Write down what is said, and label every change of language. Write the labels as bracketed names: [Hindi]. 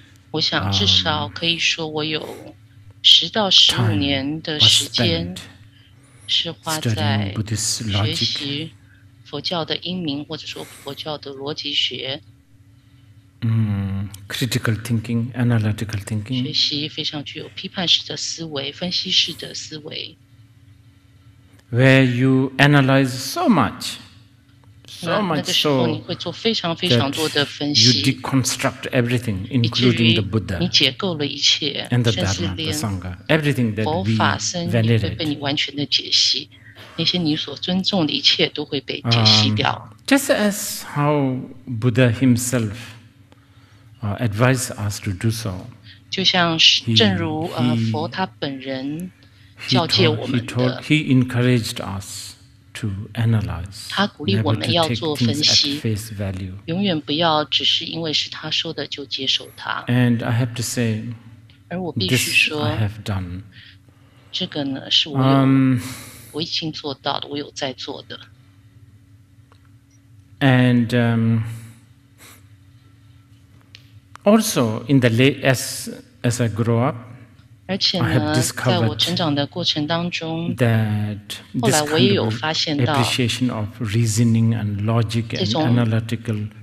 [Chinese] 我想至少可以说我有十到十五年的时间是花在学习佛教的英明或者说佛教的逻辑学。 [English] Critical thinking, analytical thinking. [Chinese] 学习非常具有批判式的思维，分析式的思维。 [English] Where you analyze so much, so much so that you deconstruct everything, including the Buddha, and the Dharma, the Sangha, everything that we venerated. Just as how Buddha himself. Advise us to do so. [Chinese] 就像正如佛他本人教诫我们的。 [English] He encouraged us to analyze. [Chinese] 他鼓励我们要做分析。 [English] Face value. [Chinese] 永远不要只是因为是他说的就接受他。 [English] And I have to say. [Chinese] 而我必须说。 [English] This I have done. [Chinese] 这个呢是我我已经做到的，我有在做的。 [English] And. Also, in the late, as I grow up, [Chinese] 而且呢，在我成长的过程当中，后来我也有发现到 [English] appreciation of reasoning and logic and analytical thinking